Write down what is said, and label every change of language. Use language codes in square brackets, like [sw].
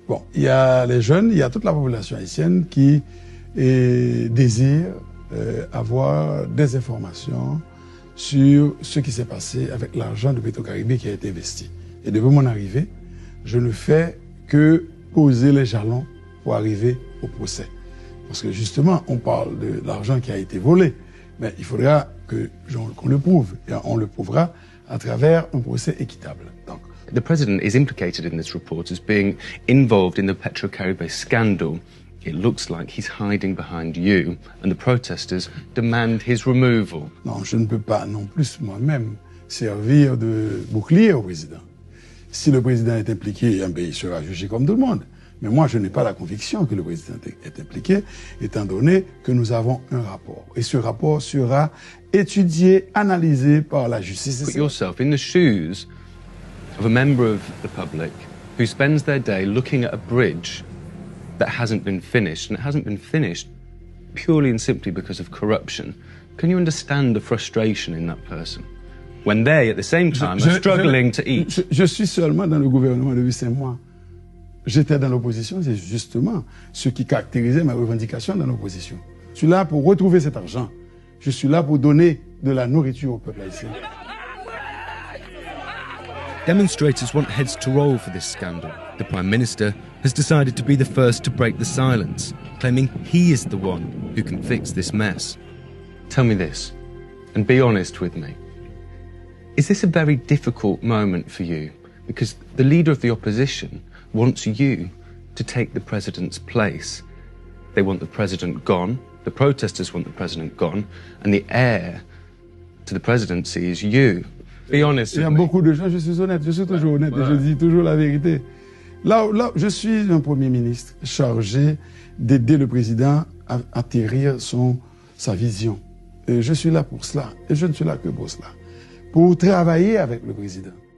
[fr] Bon, il y a les jeunes, il y a toute la population haïtienne qui désire avoir des informations sur ce qui s'est passé avec l'argent de Petrocaribe qui a été investi. Et depuis mon arrivée, je ne fais que poser les jalons pour arriver au procès. Parce que justement, on parle de l'argent qui a été volé, mais il faudra qu'on le prouve. Et on le prouvera à travers un procès équitable. Donc, [en] the president is implicated in this report as being involved in the Petrocaribe scandal. It looks like he's hiding behind you, and the protesters demand his removal. [fr] Non, je ne peux pas non plus moi-même servir de bouclier au président. Si le président est impliqué, il sera jugé comme tout le monde. Mais moi, je n'ai pas la conviction que le président est impliqué, étant donné que nous avons un rapport. Et ce rapport sera étudié, analysé par la justice. [en] Put yourself in the shoes of a member of the public who spends their day looking at a bridge that hasn't been finished, and it hasn't been finished purely and simply because of corruption. Can you understand the frustration in that person when they, at the same time, are struggling to eat? [fr] Je suis seulement dans le gouvernement depuis 5 mois. J'étais dans l'opposition, c'est justement ce qui caractérisait ma revendication dans l'opposition. Je suis là pour retrouver cet argent. Je suis là pour donner de la nourriture au peuple haïtien. [en] Demonstrators want heads to roll for this scandal. The prime minister has decided to be the first to break the silence, claiming he is the one who can fix this mess. Tell me this, and be honest with me. Is this a very difficult moment for you? Because the leader of the opposition wants you to take the president's place. They want the president gone, the protesters want the president gone, and the heir to the presidency is you. Be honest. [fr] Il y a beaucoup de gens, je suis honnête, je suis toujours honnête, et je dis toujours la vérité. Là, je suis un premier ministre chargé d'aider le président à atterrir sa vision. Et je suis là pour cela, et je ne suis là que pour cela, pour travailler avec le président.